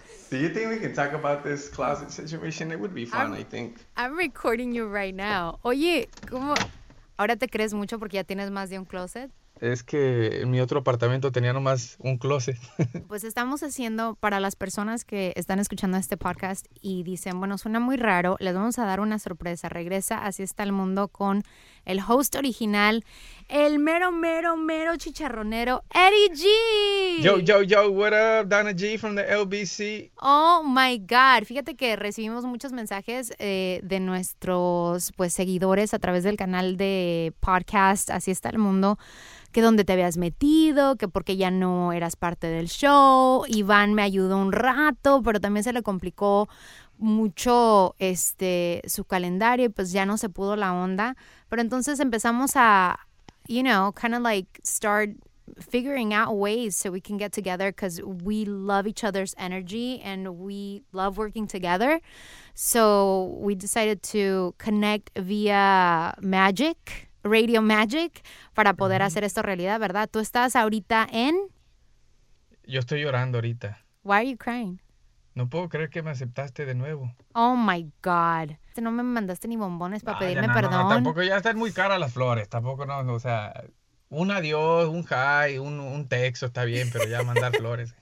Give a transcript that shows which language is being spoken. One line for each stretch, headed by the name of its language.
English: Do you think we can talk about this closet situation? It would be fun, I think. I'm recording you right now.
Spanish: Oye, ¿cómo? ¿Ahora te crees mucho porque ya tienes más de un closet? Es que en mi otro apartamento tenía nomás un closet. Pues estamos haciendo, para las personas que están escuchando este podcast y dicen, bueno, suena muy raro, les vamos a dar una sorpresa. Regresa Así Está el Mundo con el host original, el mero, mero, mero chicharronero, Eddie G.
English: Yo, yo, yo, what up, Donna G from the LBC. Oh, my God.
Spanish: Fíjate que recibimos muchos mensajes de nuestros pues seguidores a través del canal de podcast Así Está el Mundo, que dónde te habías metido, que porque ya no eras parte del show. Iván me ayudó un rato, pero también se le complicó mucho su calendario y pues ya no se pudo la onda. Pero entonces empezamos a,
English: you know, kind of like start figuring out ways so we can get together because we love each other's energy and we love working together. So we decided to connect via magic.
Spanish: Radio Magic, para poder hacer esto realidad, ¿verdad? ¿Tú estás ahorita en? Yo estoy llorando ahorita.
English: Why are you crying?
Spanish: No puedo creer que me aceptaste de nuevo.
English: Oh, my God.
Spanish: No me mandaste ni bombones para pedirme perdón. No, tampoco, ya están muy caras las flores. Tampoco, no, o sea, un adiós, un hi, un texto está bien, pero ya mandar flores.